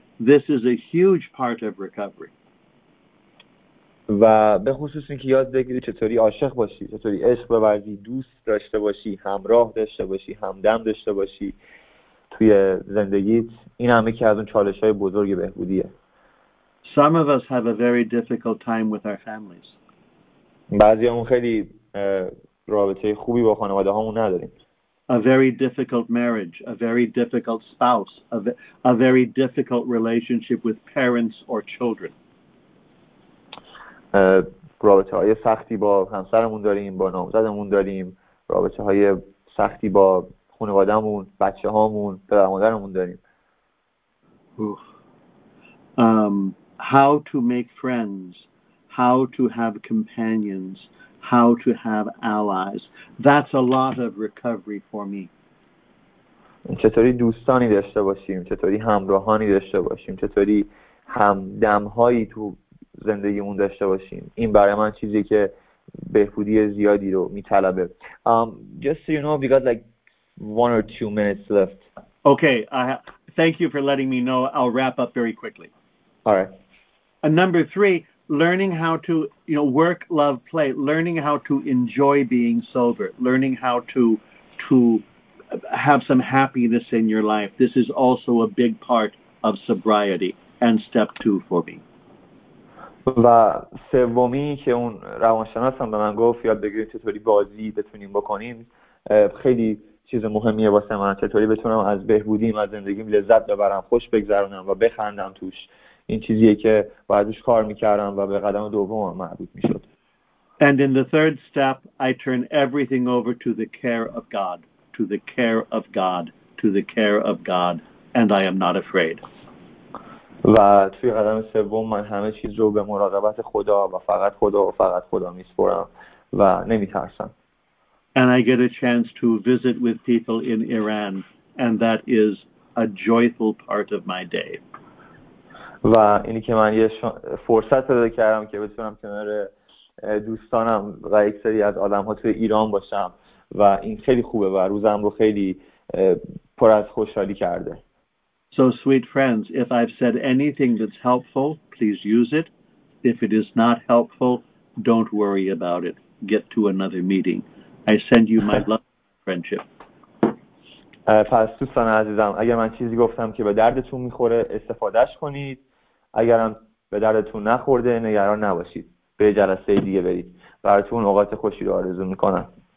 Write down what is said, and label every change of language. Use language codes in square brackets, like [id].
[en] This is a huge part of recovery. [fa] و به خصوص اینکه یاد بگیری چطوری عاشق باشی، چطوری عشق بورزی، دوست داشته باشی، همراه داشته باشی، همدم داشته باشی توی زندگیت، این همه که از اون چالش‌های بزرگ بهبودیه. [en] Some of us have a very difficult time with our families. [fa] بعضی همون خیلی رابطه خوبی با خانواده همون نداریم. [en] A very difficult marriage, a very difficult spouse, a very difficult relationship with parents or children. [fa] رابطه های سختی با همسرمون داریم، با نامزدمون داریم، رابطه های سختی با خانواده همون، بچه همون، پدر مادرمون داریم. [en] How to make friends, how to have companions, how to have allies. That's a lot of recovery for me. [fa] چطوری دوستانی داشته باشیم، چطوری همراهانی داشته باشیم، چطوری همدمهایی تو زندگیمون داشته باشیم. این برای من چیزی که بهبودی زیادی رو میطلبه. [en] Just so you know, we got like 1 or 2 minutes left. Okay, thank you for letting me know. I'll wrap up very quickly. All right. And number 3, learning how to, you know, work, love, play, learning how to enjoy being sober, learning how to have some happiness in your life. This is also a big part of sobriety and step 2 for me. [fa] و سومی که اون روانشناس هم به من گفت یاد بگیرید چطوری بازی بتونیم بکنیم خیلی چیز مهمیه واسه من، چطوری بتونم از بهبودی از زندگیم لذت ببرم، خوش بگذرونم و بخندم توش. این چیزیه که بعدش کار میکردم و به قدم دوم مربوط میشد. [en] And in the third step, I turn everything over to the care of God, to the care of God, to the care of God, and I am not afraid. [fa] و توی قدم سوم من همه چیز رو به مراقبت خدا و فقط خدا و فقط خدا میسپرم و نمیترسم. [en] And I get a chance to visit with people in Iran, and that is a joyful part of my day. [fa] و اینی که من یه فرصت پیدا کردم که بتونم کنار دوستانم و یک سری از آدم‌ها توی ایران باشم و این خیلی خوبه و روزم رو خیلی پر از خوشحالی کرده. [en] So sweet friends, if I've said anything that's helpful, please use it. If it is not helpful, don't worry about it. Get to another meeting. I send you my love, friendship. [fa] پس دوستان عزیزم، اگر من چیزی گفتم که به دردتون میخوره استفادهش کنید، اگرم به دردتون نخورده نگران نباشید، به جلسه دیگه برید. براتون اوقات خوشی رو آرزو میکنم.